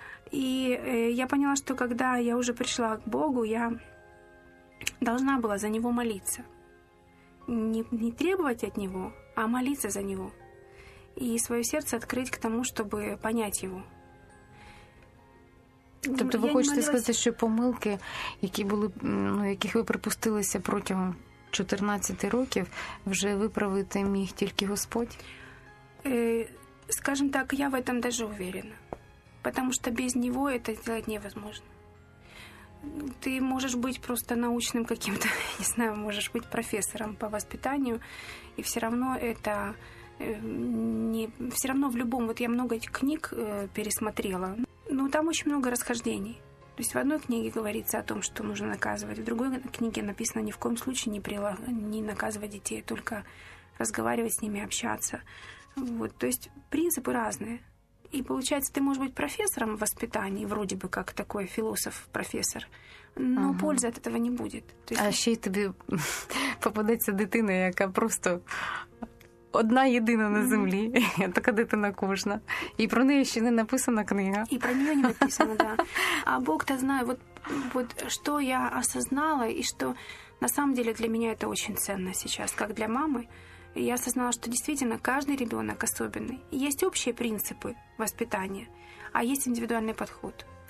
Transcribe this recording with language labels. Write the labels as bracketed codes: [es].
[ru] И я поняла, что когда я уже пришла к Богу, я должна была за него молиться. Не требовать от него, а молиться за него. И свое сердце открыть к тому, чтобы понять его. [uk] Тобто ви хочете сказати, що помилки, які були, ну, яких ви припустилися протягом 14 років, вже виправити міг тільки Господь? [ru] Скажем так, я в этом даже уверена. Потому что без него это сделать невозможно. Ты можешь быть просто научным каким-то, не знаю, можешь быть профессором по воспитанию, и все равно это не все равно в любом, вот я много книг пересмотрела. Ну, там очень много расхождений. То есть в одной книге говорится о том, что нужно наказывать, в другой книге написано ни в коем случае не наказывать детей, только разговаривать с ними, общаться. Вот. То есть принципы разные. И получается, ты можешь быть профессором в воспитании, вроде бы как такой философ-профессор, но ага. пользы от этого не будет. То есть... А еще и тебе попадается [uk] дитина, яка просто одна єдина на землі, така дитина кожна. І про неї ще не написана книга. І про неї не написано, да. А Бог та знає, от що я осознала, і що насправді для мене це дуже цінно зараз, як для мами. [ru] Я осознала, что действительно каждый ребенок особенный. Есть общие принципы воспитания, а есть индивидуальный подход.